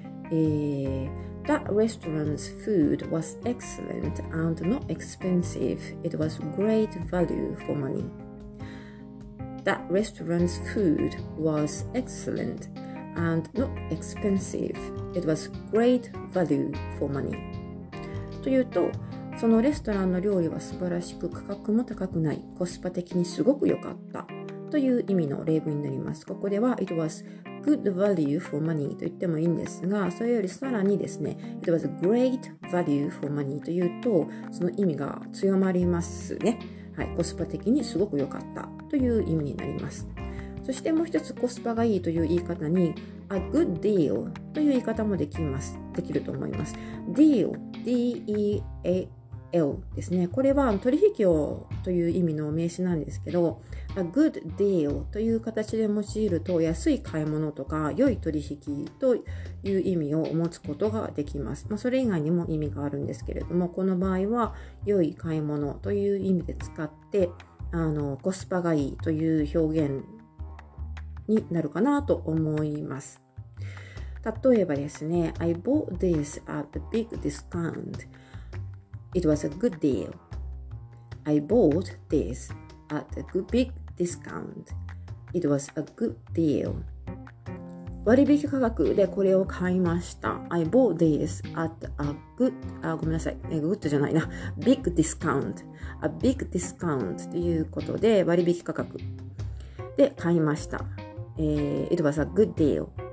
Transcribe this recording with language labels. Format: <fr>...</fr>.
<en>That restaurant's food was excellent and not expensive. It was great value for money. That restaurant's food was excellent and not expensive. It was great value for money.</en> <ja>というと、そのレストランの料理は素晴らしく、価格も高くない。コスパ的にすごく良かった。という意味の例文になります。ここでは、</ja> <en>It was good value for money</en> <ja>と言ってもいいんですが、それよりさらにですね、</ja> <en>It was great value for money</en> <ja>というと、その意味が強まりますね。はい、コスパ的にすごく良かったという意味になります。そしてもう一つ、コスパがいいという言い方に、A good deal という言い方もできると思います。Deal, D-E-A-L L ですね。これは取引をという意味の名詞なんですけど、A good deal という形で用いると安い買い物とか良い取引という意味を持つことができます。まあ、それ以外にも意味があるんですけれども、この場合は良い買い物という意味で使って、コスパがいいという表現になるかなと思います。例えばですね、</ja> <en>I bought this at a big discount. It was a good deal. I bought this at a good big discount. It was a good deal.</en> <ja>割引価格でこれを買いました。</ja> <en>I bought this at a good,</en> <ja>ごめんなさい、</ja> <en>good</en> <ja>じゃないな、</ja> <en>big discount.</en> <ja>A big discount ということで割引価格で買いました。</ja> <en>It was a good deal.</en>